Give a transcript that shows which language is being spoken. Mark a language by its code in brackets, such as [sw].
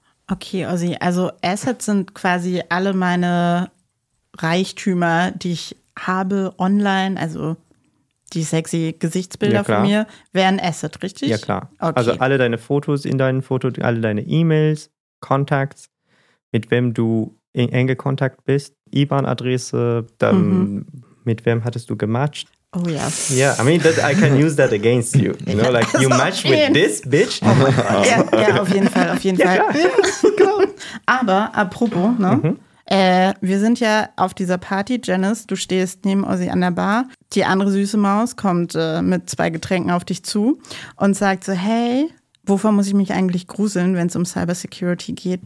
[de] Okay, Ozzy, also Assets sind quasi alle meine Reichtümer, die ich habe online, also die sexy Gesichtsbilder, ja, von mir, wären Asset, richtig? Ja, klar. Okay. Also alle deine Fotos in deinen Fotos, alle deine E-Mails, Contacts, mit wem du in enge Kontakt bist, IBAN-Adresse, dann mit wem hattest du gematcht? Oh ja. [en] Yeah, I mean, that I can use that against you. You know, like, also, you match with this bitch. Oh my God. [de] Ja, auf jeden Fall, auf jeden Fall. Ja, aber apropos, ne? Mhm. Wir sind ja auf dieser Party, Janice, du stehst neben Ozzy an der Bar. Die andere süße Maus kommt mit zwei Getränken auf dich zu und sagt so, hey, wovor muss ich mich eigentlich gruseln, wenn es um Cybersecurity geht?